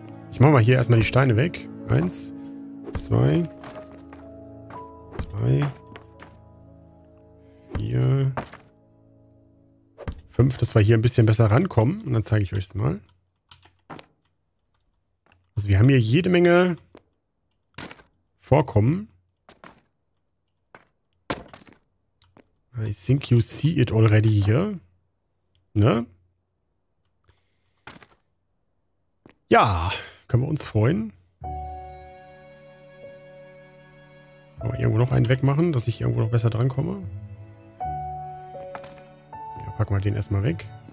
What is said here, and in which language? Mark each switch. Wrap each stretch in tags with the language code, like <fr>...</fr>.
<de>Ich mache mal hier erstmal die Steine weg. 1, 2, 3, 4, 5, dass wir hier ein bisschen besser rankommen. Und dann zeige ich euch es mal. Also wir haben hier jede Menge Vorkommen.</de> <en>I think you see it already here.</en> <de>Ne? Ja, können wir uns freuen. Aber irgendwo noch einen wegmachen, dass ich irgendwo noch besser drankomme. Ja, packen wir den erstmal weg.</de>